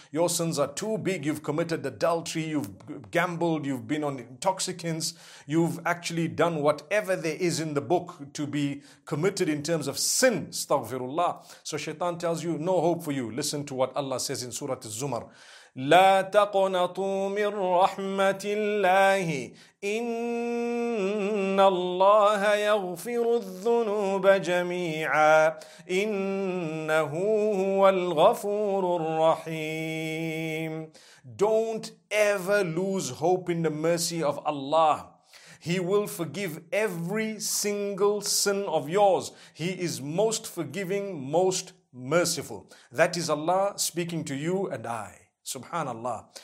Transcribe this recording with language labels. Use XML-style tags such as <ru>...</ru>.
<en>Your sins are too big. You've committed adultery. You've gambled. You've been on intoxicants. You've actually done whatever there is in the book to be committed in terms of sin. Astaghfirullah. So shaitan tells you, no hope for you. Listen to what Allah says in Surah Az-Zumar.</en> <ar>لا تقنطوا من رحمة الله إن الله يغفر الذنوب جميعا إنه هو الغفور الرحيم.</ar> <en>Don't ever lose hope in the mercy of Allah. He will forgive every single sin of yours. He is most forgiving, most merciful. That is Allah speaking to you and I. Subhanallah.</en>